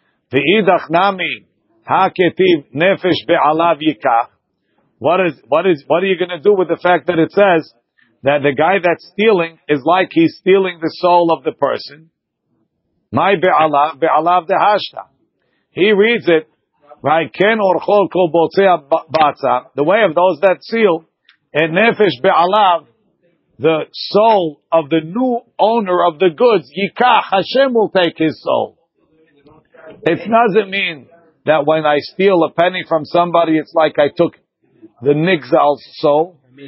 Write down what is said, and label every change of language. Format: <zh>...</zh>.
<arc>Ve'idach nami ha'ketiv nefesh be'alav yikach.</arc> <en>What are you going to do with the fact that it says that the guy that's stealing is like he's stealing the soul of the person?</en> <arc>My be'alav, be'alav de'hashta.</arc> <en>He reads it, right?</en> <he>Ken orchol kol botzea batza.</he> <en>The way of those that steal, and</en> <he>nefesh be'alav,</he> <en>the soul of the new owner of the goods, yikach, Hashem will take his soul. It doesn't mean that when I steal a penny from somebody, it's like I took the nigzal's soul.</en>